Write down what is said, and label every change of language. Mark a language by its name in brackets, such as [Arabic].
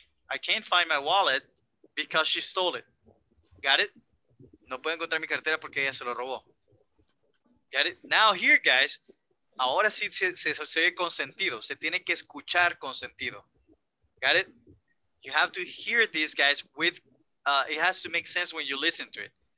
[English] I can't find my wallet because she stole it. Got it? [Spanish] No puedo encontrar mi cartera porque ella se lo robó. [English] Got it? Now, here, guys, [Spanish] ahora sí se oye con sentido. Se tiene que escuchar con sentido. [English] Got it? You have to hear these guys with, it has to make sense when you listen to it.